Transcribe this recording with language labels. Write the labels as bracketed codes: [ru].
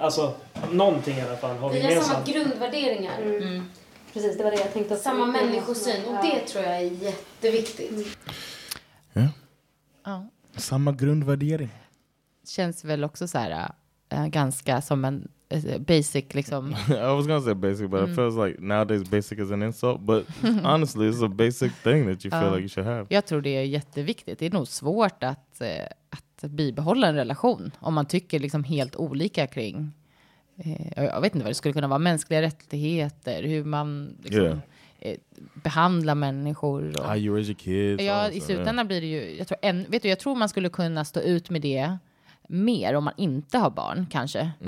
[sv] Alltså, någonting i alla fall har vi gemensamt. Vi har samma grundvärderingar. Mm. Mm. Precis, det var det jag tänkte. Att samma människosyn. Och det tror jag är jätteviktigt. Mm. Ja. Ja. Samma grundvärdering. Känns väl också så här ganska som en basic liksom. [en] I was gonna say basic, but it feels like nowadays basic is an insult, but honestly it's a basic thing that you feel like you should have. [sv] Jag tror det är jätteviktigt. Det är nog svårt att bibehålla en relation om man tycker liksom helt olika kring jag vet inte vad det skulle kunna vara, mänskliga rättigheter, hur man liksom, behandlar människor och, [en] how you raise your kids, [sv] ja, also, i slutändan blir det ju, jag tror, jag tror man skulle kunna stå ut med det mer om man inte har barn, kanske. Mm-hmm.